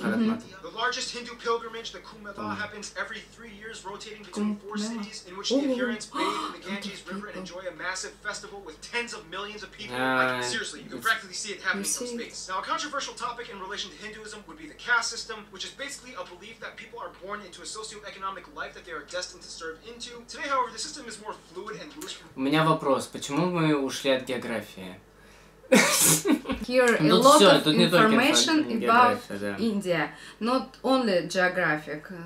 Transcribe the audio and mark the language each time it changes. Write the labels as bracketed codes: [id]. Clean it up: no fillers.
[en] Like the largest Hindu pilgrimage, the Kumbh Mela, happens every 3 years, rotating between four cities, in which the adherents bathe in the Ganges River and enjoy a massive festival with tens of millions of people. Like, seriously, you can practically see it happening from space. Now, a controversial topic in relation to Hinduism would be the caste system, which is basically a belief that people are born into a socioeconomic life that they are destined to serve into. Today, however, the system is more fluid and loose. [ru] У меня вопрос, почему мы ушли от географии? [en] Here a lot of information about India, not only geographic.